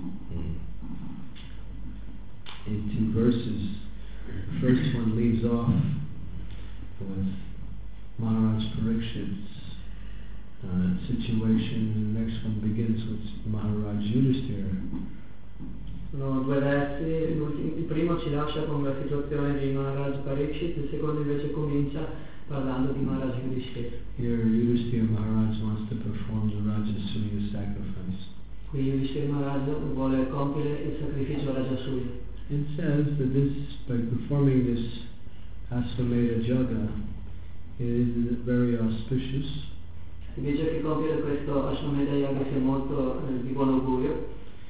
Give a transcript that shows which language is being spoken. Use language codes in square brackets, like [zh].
[en] In two verses, the first one leaves off with Maharaj Parikshit's situation, and the next one begins with Maharaj Yudhisthira. [it] No, due versi, il primo ci lascia con la situazione di Maharaj Parikshit, il secondo invece comincia parlando di Maharaj Yudhisthira. [en] Here Yudhisthira Maharaj wants to perform the Rajasuya sacrifice. [it] Qui Yudhisthira Maharaj vuole compiere il sacrificio Rajasuya. [en] It says that this, by performing this Asvamedha Yaga, it is very auspicious. [it] Si dice che compiere questo Asvamedha Yaga sia molto di buon augurio.